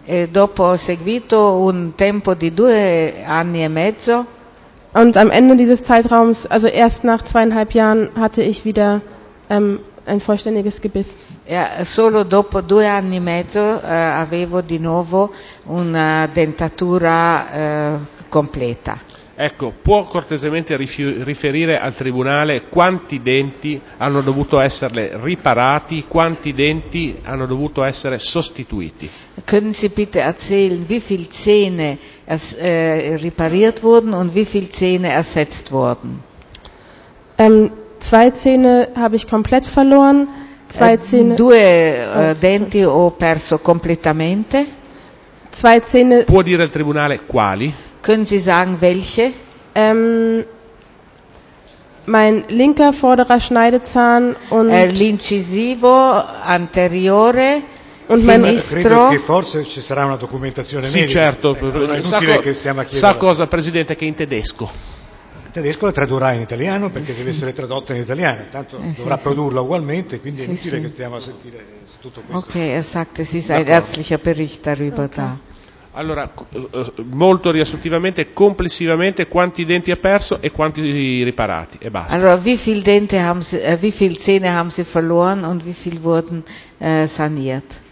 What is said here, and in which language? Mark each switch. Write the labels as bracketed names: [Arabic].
[Italian] Dopo ho seguito un tempo di 2 anni e mezzo. [German] Und am Ende dieses Zeitraums, also erst nach 2,5 Jahren, hatte ich wieder ein vollständiges Gebiss. [Italian] Ja, solo dopo 2 anni e mezzo avevo di nuovo una dentatura completa. Ecco, può cortesemente riferire al tribunale quanti denti hanno dovuto essere riparati, quanti denti hanno dovuto essere sostituiti? [German] Können Sie bitte erzählen, wie viele Zähne repariert wurden und wie viele Zähne ersetzt wurden? 2 Zähne habe ich komplett verloren. 2 Zähne. [Italian] 2 denti ho perso completamente. [German] 2 Zähne. [Italian] Può dire al tribunale quali? [German] Können Sie sagen, welche? Mein linker vorderer Schneidezahn und [Italian] l'incisivo anteriore [German] und [Italian] sinistro. Credo che forse ci sarà una documentazione sì, medica. Certo, inutile che stiamo a chiedere. Sa cosa, presidente, che in tedesco. In tedesco la tradurrà in italiano perché deve essere tradotta in italiano. Intanto dovrà produrla ugualmente, quindi è inutile che stiamo a sentire tutto questo. [German] Ok, er sagte, sie sei ärztlicher Bericht darüber da. [Italian] Allora, molto riassuntivamente, complessivamente, quanti denti ha perso e quanti riparati, e basta. [German] Allora, wie viel Dente haben Sie, wie viel Zähne haben Sie verloren und wie viel wurden saniert?